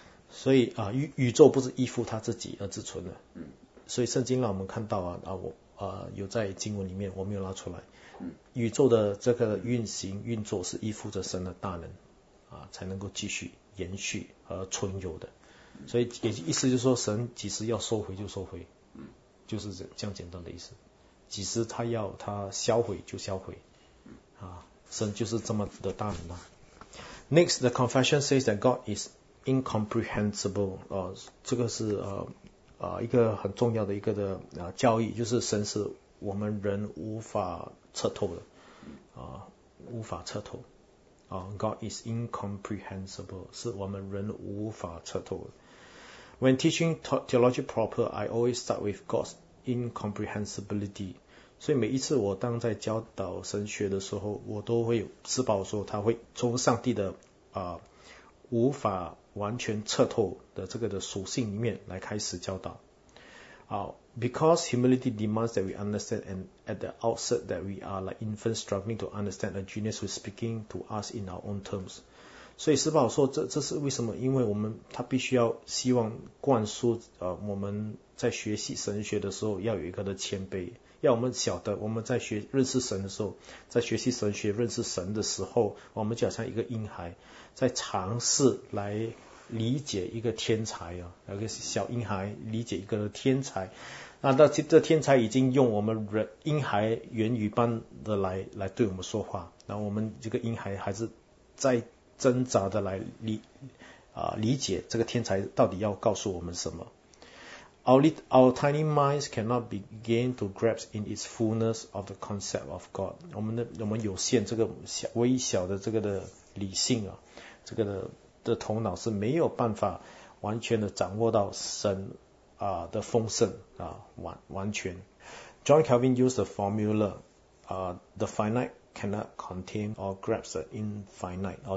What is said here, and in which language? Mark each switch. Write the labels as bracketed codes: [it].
[zh] 所以宇宙不是依附他自己而自存的，所以圣经让我们看到有在经文里面我没有拉出来，宇宙的这个运行运作是依附着神的大能，才能够继续延续而存有的，所以也意思就是说神几时要收回就收回，就是这样简单的意思。即使他要他销毁就销毁，神就是这么的大能。 [en] Next, the confession says that God is incomprehensible. [zh] 这个是一个很重要的一个的教义，就是神是我们人无法彻透的，无法彻透。 [en] God is incomprehensible, [zh] 是我们人无法彻透的。 [en] When teaching theology proper, I always start with God's incomprehensibility. [zh] 所以每一次我当在教导神学的时候，我都会自保说他会从上帝的无法完全彻透的这个的属性里面来开始教导。 [en] Because humility demands that we understand and at the outset that we are like infants struggling to understand a genius who is speaking to us in our own terms. [zh] 所以自保说这是为什么，因为我们他必须要希望灌输我们在学习神学的时候要有一个的谦卑。要我们晓得，我们在学认识神的时候，在学习神学认识神的时候，我们就好像一个婴孩，在尝试来理解一个天才一个小婴孩理解一个天才。那到这天才已经用我们人婴孩言语般的来对我们说话，然后我们这个婴孩还是在挣扎的来理解这个天才到底要告诉我们什么。 [en] Our tiny minds cannot begin to grasp in its fullness of the concept of God. [zh] 我们有限这个微小的这个的理性这个的头脑是没有办法完全的掌握到神的丰盛完全。 [en] John Calvin used the formula, the finite cannot contain or grasp the infinite.